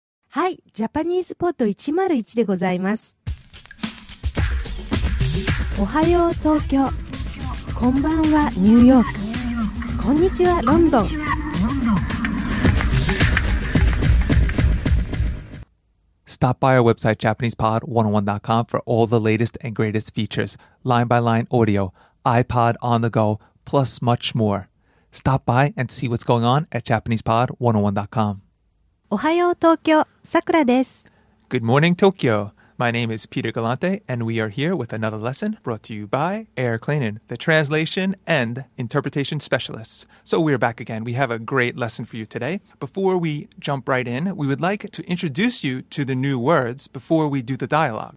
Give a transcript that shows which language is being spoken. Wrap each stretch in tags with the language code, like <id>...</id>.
<ja>はい、ジャパニーズポート101でございます。おはよう東京、こんばんはニューヨーク、こんにちはロンドン。</ja> <en>Stop by our website JapanesePod101.com for all the latest and greatest features, line-by-line audio, iPod on the go, plus much more. Stop by and see what's going on at JapanesePod101.com.</en> <ja>おはよう東京、さくらです。</ja> <en>Good morning, Tokyo. My name is Peter Galante, and we are here with another lesson brought to you by Air Cleaning, the translation and interpretation specialists. So we're back again. We have a great lesson for you today. Before we jump right in, we would like to introduce you to the new words before we do the dialogue.</en>